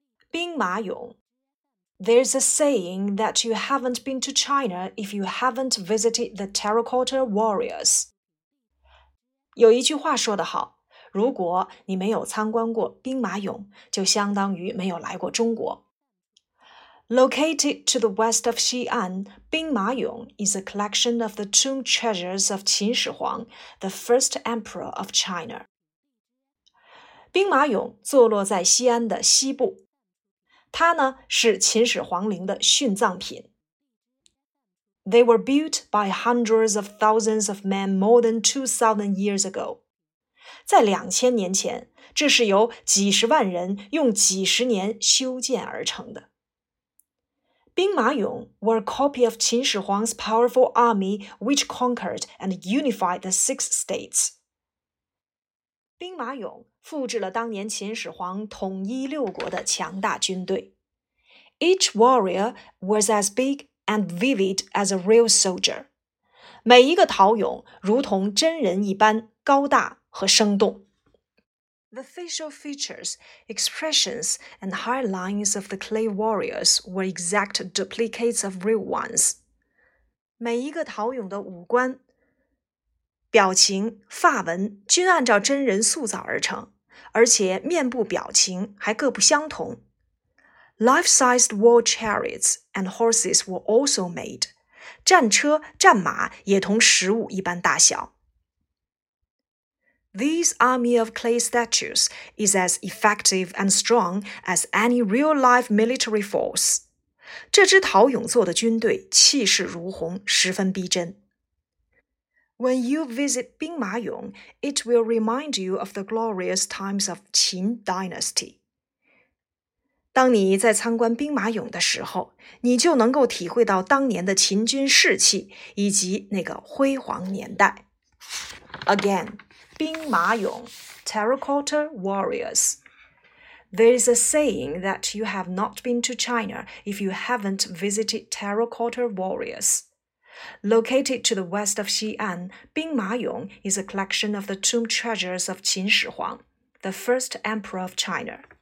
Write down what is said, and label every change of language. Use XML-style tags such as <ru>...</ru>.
<en>兵马俑 There's a saying that you haven't been to China if you haven't visited the Terracotta Warriors.</en> <zh>有一句话说得好，如果你没有参观过兵马俑，就相当于没有来过中国。</zh> <en>Located to the west of Xi'an, 兵马俑 is a collection of the tomb treasures of 秦始皇, the first emperor of China.</en> <zh>兵马俑坐落在西安的西部。它呢是秦始皇陵的殉葬品。</zh> <en>They were built by hundreds of thousands of men more than 2,000 years ago.</en> <zh>在2000年前，这是由几十万人用几十年修建而成的。</zh> <en>兵马俑 were a copy of 秦始皇's powerful army which conquered and unified the six states.</en> <zh>兵马俑复制了当年秦始皇统一六国的强大军队。</zh> <en>Each warrior was as big and vivid as a real soldier.</en> <zh>每一个陶俑如同真人一般高大和生动。</zh> <en>The facial features, expressions, and hard lines of the clay warriors were exact duplicates of real ones.</en> <zh>每一个陶俑的五官、表情、发纹均按照真人塑造而成，而且面部表情还各不相同。</zh> <en>Life-sized war chariots and horses were also made.</en> <zh>战车、战马也同实物一般大小。</zh> <en>These army of clay statues is as effective and strong as any real-life military force.</en> <zh>这支陶俑做的军队气势如虹，十分逼真。</zh> <en>When you visit 兵马俑, it will remind you of the glorious times of 秦 dynasty.</en> <zh>当你在参观兵马俑的时候，你就能够体会到当年的秦军士气以及那个辉煌年代。</zh> <en>Again. 兵马俑 Terracotta Warriors. There is a saying that you have not been to China if you haven't visited Terracotta Warriors. Located to the west of Xi'an, 兵马俑 is a collection of the tomb treasures of 秦始皇, the first emperor of China.</en>